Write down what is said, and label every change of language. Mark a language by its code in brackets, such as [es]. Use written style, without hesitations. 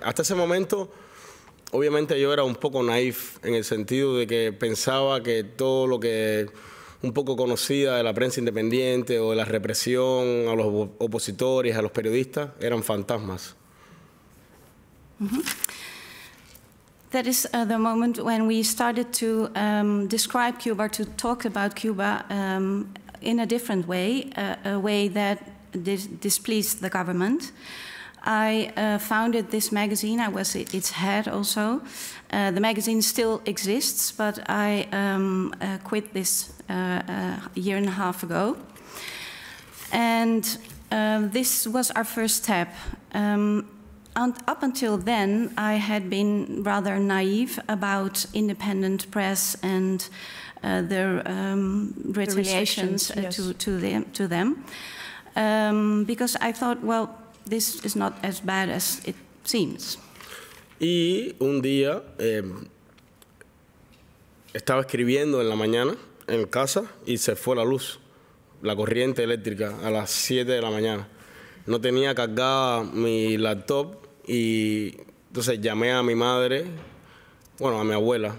[es] Hasta ese momento, obviamente yo era un poco naif en el sentido de que pensaba que todo lo que un poco conocía de la prensa independiente o de la represión a los opositores, a los periodistas, eran fantasmas. Mm-hmm. [en] That is the moment when we started to describe Cuba, to talk about Cuba in a different way, a way that displeased the government. I founded this magazine. I was its head also. The magazine still exists, but I quit this a year and a half ago. And this was our first step. And up until then, I had been rather naive about independent press and their retaliations to them. Because I thought, well, this is not as bad as it seems. [es] Y un día estaba escribiendo en la mañana en casa y se fue la luz, la corriente eléctrica, a las 7 de la mañana. No tenía cargada mi laptop y entonces llamé a mi madre, bueno, a mi abuela.